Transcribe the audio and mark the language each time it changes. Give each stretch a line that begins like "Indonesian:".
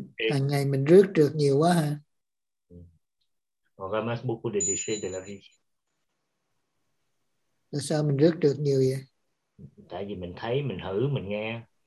Vietnamese: Hàng ngày mình rước trượt nhiều quá.
French: On ramasse beaucoup de déchets de la vie.
Vietnamese: Tại sao mình rước được nhiều vậy? Tại vì mình thấy, mình thử, mình nghe.